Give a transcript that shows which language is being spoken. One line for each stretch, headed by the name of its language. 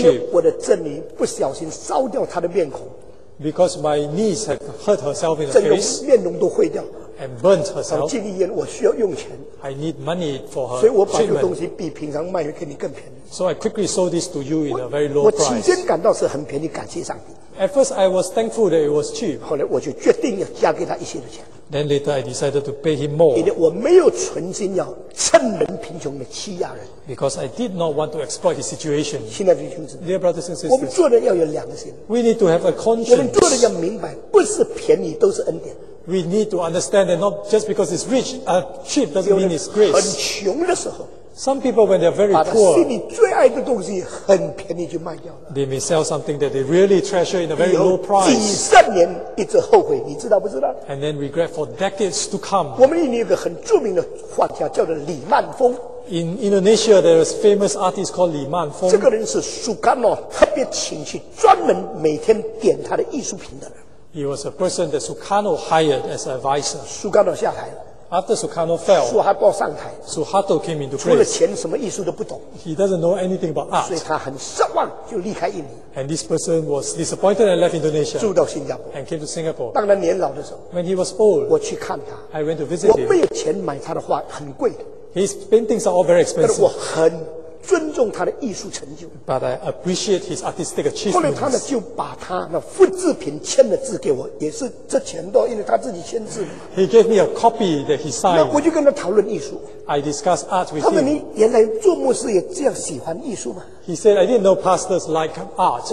Chinese: 因为我的证明不小心烧掉他的面孔。
English: Because my niece had hurt herself in the face.
Chinese: 整容面容都毁掉。
English: And burnt herself.
Chinese: 进医院，我需要用钱。
English: I need money for her.
Chinese: 所以我把这个东西比平常卖给你更便宜。
English: So I quickly sold this to you in a very low price.
Chinese: 我起先感到是很便宜，感谢上帝。
English: At first, I was thankful that it was cheap.
Chinese: 后来我就决定要加给他一些的钱。
English: Then later, I decided to pay him more.
Chinese: 因为我没有存心要趁人贫穷的欺压人。
English: Because I did not want to exploit his situation.
Chinese: 亲爱的弟兄姊妹
English: ，Dear brothers and sisters,
Chinese: 我们做人要有良心。
English: We need to have a conscience.
Chinese: 我们做人要明白，不是便宜都是恩典。
English: We need to understand that not just because it's rich, cheap doesn't mean it's grace.
Chinese: 很穷的时候。
English: Some people, when they are very poor,
Chinese: 把他心里最爱的东西很便宜就卖掉了。
English: They may sell something that they really treasure in a very low price.
Chinese: 几十年一直后悔，你知道不知道
English: ？And then regret for decades to come.
Chinese: 我们印尼有个很著名的画家叫做李曼峰。
English: In Indonesia, there is a famous artist called Lee Man Fong.
Chinese: 这个人是苏干诺特别请去专门每天点他的艺术品的人。
English: He was a person that Sukarno hired as an advisor.
Chinese: Sukarno 下台。
English: After Sukarno fell,
Chinese: Suharto 上台。
English: Suharto came into place.
Chinese: 除了钱，什么艺术都不懂。
English: He doesn't know anything about art.
Chinese: 所以他很失望，就离开印尼。
English: And this person was disappointed and left Indonesia.
Chinese: 住到新加坡。
English: And came to Singapore.
Chinese: 当他年老的时候。
English: When he was old,
Chinese: 我去看他。
English: I went to visit him.
Chinese: 我没有钱买他的画，很贵的。
English: His paintings are all very expensive.
Chinese: 但是我很尊重他的艺术成就。
English: But I appreciate his artistic achievements.
Chinese: 后来他呢就把他那复制品签了字给我，也是这钱多，因为他自己签字。
English: He gave me a copy that he signed.
Chinese: 那我就跟他讨论艺术。
English: I discussed art with
Chinese: him. 他问你原来做牧师也这样喜欢艺术吗？
English: He said I didn't know pastors like art.